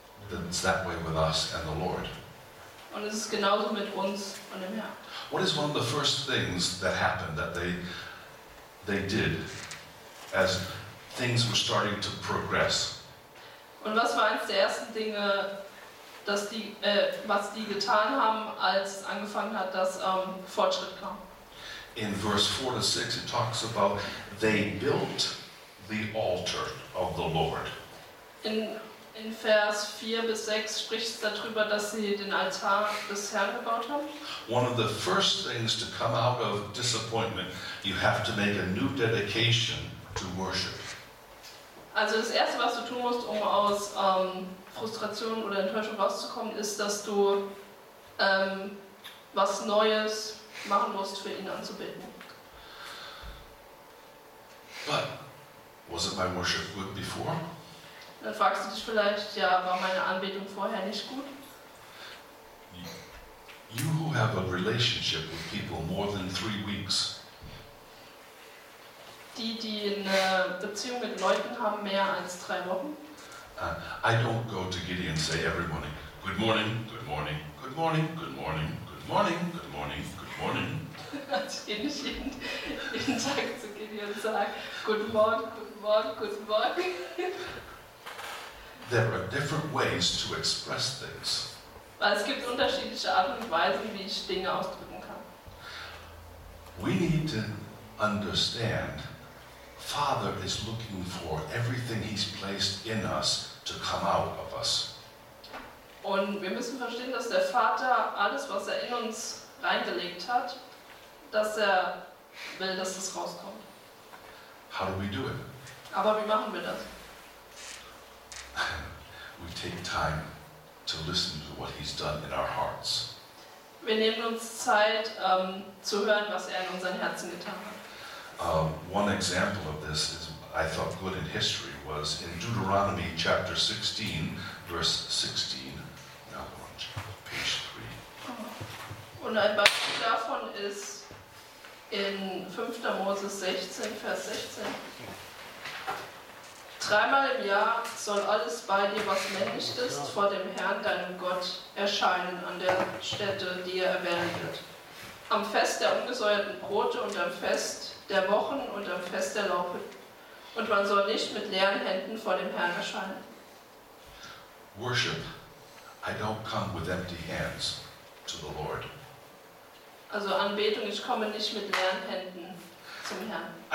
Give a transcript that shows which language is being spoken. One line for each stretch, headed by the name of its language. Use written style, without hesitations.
English: Then it's that way with us and the Lord.
German: Und es ist genauso mit uns und dem Herrn.
English: What is one of the first things that happened that they did as things were starting to progress?
German: Und was war eins der ersten Dinge, dass die was die getan haben, als es angefangen hat, dass Fortschritt kam?
English: In verse 4 to 6 it talks about they built the altar of the Lord.
German: In Vers 4 bis 6 spricht es darüber, dass sie den Altar des Herrn gebaut haben.
English: One of the first things to come out of disappointment, you have to make a new dedication to worship.
German: Also das Erste, was du tun musst, um aus Frustration oder Enttäuschung rauszukommen, ist, dass du was Neues machen musst, für ihn anzubeten.
English: But wasn't my worship good before?
German: Dann fragst du dich vielleicht, ja, war meine Anbetung vorher nicht gut?
English: You who have a relationship with people more than 3 weeks.
German: Die eine Beziehung mit Leuten haben mehr als 3 Wochen.
English: I don't go to Gideon and say every morning, good morning, good morning, good morning, good morning, good morning, good morning, good morning.
German: Ich gehe nicht jeden Tag zu Gideon und sage,
English: good morning, good morning, good morning. There are different ways to express things.
German: Weil es gibt unterschiedliche Arten und Weisen, wie ich Dinge ausdrücken kann.
English: We need to understand, Father is looking for everything he's placed in us to come out of us.
German: Und wir müssen verstehen, dass der Vater alles, was er in uns reingelegt hat, dass er will, dass es rauskommt.
English: How do we do it?
German: Aber wie machen wir das?
English: We take time to listen to what he's done in our hearts.
German: Wir nehmen uns Zeit zu hören, was er in unseren Herzen getan hat.
English: One example of this is, I thought good in history, was in Deuteronomy chapter 16, verse 16. Now we're on page 3.
German: Und ein Beispiel davon ist in 5. Mose 16, Vers 16. Dreimal im Jahr soll alles bei dir, was männlich ist, vor dem Herrn, deinem Gott, erscheinen an der Stätte, die er erwählen wird. Am Fest der ungesäuerten Brote und am Fest der Wochen und am Fest der Laubhütten. Und man soll nicht mit leeren Händen vor dem Herrn erscheinen.
English: Worship, I don't come with empty hands to the Lord.
German: Also Anbetung, ich komme nicht mit leeren Händen zum Herrn.